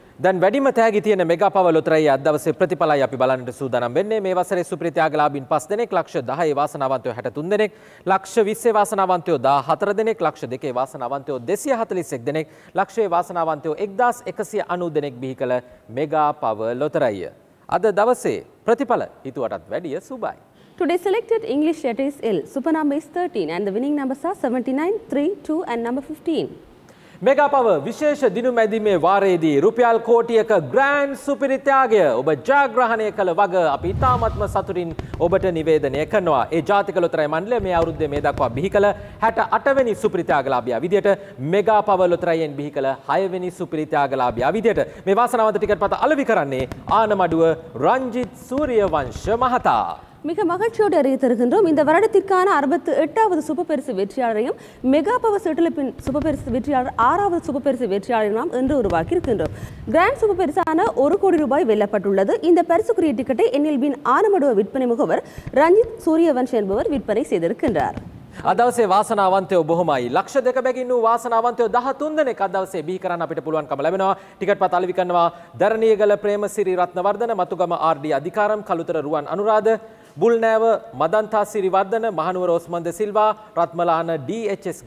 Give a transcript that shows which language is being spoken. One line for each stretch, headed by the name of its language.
Sinhala: දැන් වැඩිම තෑගි තියෙන මෙගා පව ලොතරැයි අද දවසේ ප්‍රතිඵලයි අපි බලන්නට සූදානම් වෙන්නේ මේ වසරේ සුපිරිත්‍යාගලාභින් 5 දෙනෙක් ලක්ෂ 10 වාසනාවන්තයෝ 63 දෙනෙක් ලක්ෂ 20 වාසනාවන්තයෝ 14 දෙනෙක් ලක්ෂ 2 වාසනාවන්තයෝ 241 දෙනෙක් ලක්ෂයේ වාසනාවන්තයෝ 1190 දෙනෙක් බිහි කළ මෙගා පව ලොතරැයි අද දවසේ ප්‍රතිඵල හිතුවටත් වැඩිය සුබයි
English: Today selected English letter is L. Super number is 13 and the winning numbers are 79, 3, 2 and number 15.
Sinhala: Mega Power විශේෂ දින මැදීමේ වාරයේදී රුපියල් කෝටියක grand super ත්‍යාගය ඔබ ජයග්‍රහණය කළ වග අපි ඉතාමත්ම සතුටින් ඔබට නිවේදනය කරනවා. ඒ ජාතික ලොතරැයි මණ්ඩලය මේ අවුරුද්දේ මේ දක්වා බිහි කළ 68 වෙනි super ත්‍යාග ලාභියා විදියට Mega Power ලොතරැයියෙන් බිහි කළ 6 වෙනි super ත්‍යාග ලාභියා විදියට මේ වාසනාවන්ත ටිකට් පත අලෙවි කරන්නේ ආනමඩුව රංජිත් සූර්යවංශ මහතා.
Tamil: மிக மகிழ்ச்சியோடு அறிவித்திருக்கின்றோம். இந்த வருடத்திற்கான 68வது சூப்பர் பெருசு வெற்றியாளரையும் மெகா பவர் செட்டிலப்பின் சூப்பர் பெருசு வெற்றியாளர் 6வது சூப்பர் பெருசு வெற்றியாளரையும் நாம் இன்று உருவாக்கி இருக்கின்றோம். கிராண்ட் சூப்பர் பெருசான 1 கோடி ரூபாய் வெல்லப்பட்டுள்ளது. இந்த பரிசுக்குரிய டிக்கெட்டை என்எல்பின் ஆனமடுவ விற்பனை முகவர் ரஞ்சித் சூரியவன்ஷ் என்பவர் விற்பனை செய்திருக்கின்றார்.
Sinhala: අදවසේ වාසනාවන්තයෝ බොහොමයි ලක්ෂ 2 බැගින් වූ වාසනාවන්තයෝ 13 දෙනෙක් අදවසේ බිහි කරන්න අපිට පුළුවන්කම ලැබෙනවා ටිකට් පත අලෙවි කරනවා දරණියගල ප්‍රේමසිරි රත්නවර්ධන මතුගම ආර්.ඩී. අධිකාරම් කලුතර රුවන් අනුරාධ බුල්නෑව මදන්තා සිරිවර්ධන මහනුවර ඕස්මන්ද සිල්වා රත්මලාන ඩී.එච්.එස්.